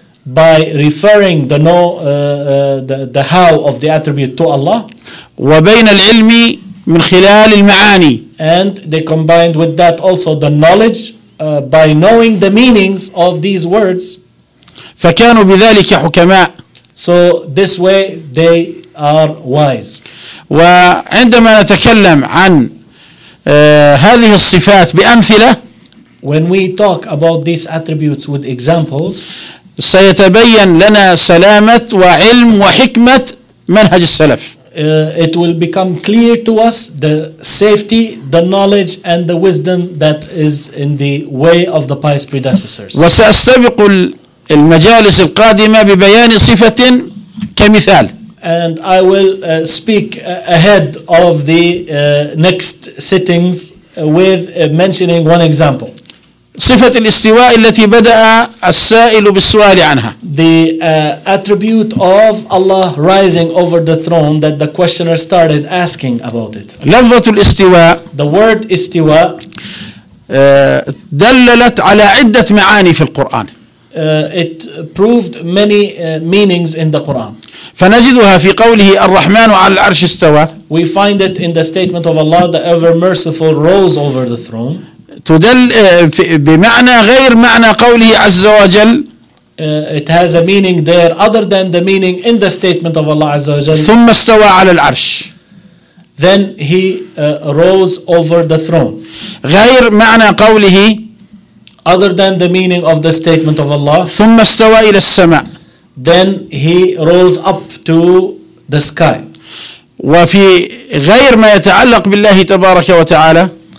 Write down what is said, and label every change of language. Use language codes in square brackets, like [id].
[en] by referring the how of the attribute to Allah [ar] وبين العلم من خلال المعاني [en] and they combined with that also the knowledge by knowing the meanings of these words [ar] فكانوا بذلك حكماء [en] so this way they are wise [ar] وعندما نتكلم عن هذه الصفات بأمثلة [en] When we talk about these attributes with examples, [ar] سيتبين لنا سلامة وعلم وحكمة منهج السلف. [en] It will become clear to us the safety, the knowledge, and the wisdom that is in the way of the pious predecessors. [ar] وسأستبق المجالس القادمة ببيان صفة كمثال. [en] And I will speak ahead of the next sittings with mentioning one example. [ar] صفة الاستواء التي بدأ السائل بالسؤال عنها. [en] The attribute of Allah rising over the throne that the questioner started asking about it. [ar] لفظة الاستواء. [en] The word استواء. [ar] دللت على عدة معاني في القرآن. [en] It proved many meanings in the Quran. [ar] فنجدها في قوله الرحمن على العرش استوى. [en] We find it in the statement of Allah, the ever merciful rose over the throne. [ar] تدل بمعنى غير معنى قوله عز وجل [en] it has a meaning there other than the meaning in the statement of Allah [ar] عز وجل ثم استوى على العرش [en] then he rose over the throne [ar] غير معنى قوله [en] other than the meaning of the statement of Allah [ar] ثم استوى إلى السماء [en] then he rose up to the sky [ar] وفي غير ما يتعلق بالله تبارك وتعالى